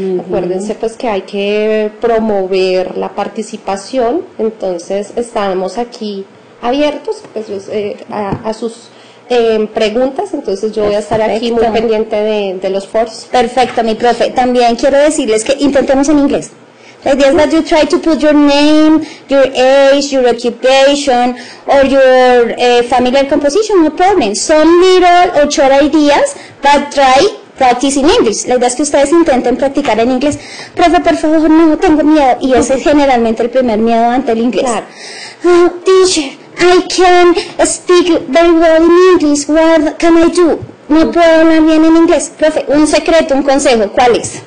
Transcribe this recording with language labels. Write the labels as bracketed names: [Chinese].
[Spanish] Acuérdense pues que hay que promover la participación. Entonces, estamos aquí abiertos pues, a sus preguntas, entonces yo voy a estar aquí muy pendiente de los foros. Perfecto, mi profe. También quiero decirles que intentemos en inglés. La idea es [English] that you try to put your name, your age, your occupation, or your familiar composition, no problem. Some little or short ideas, but try practice in English. [Spanish] La idea es que ustedes intenten practicar en inglés. Profe, por favor, no tengo miedo. Y ese es generalmente el primer miedo ante el inglés. Claro. [English] Oh, teacher, I can speak very well in English. What can I do? [Spanish] No puedo hablar bien en inglés. Profe, un secreto, un consejo, ¿cuál es?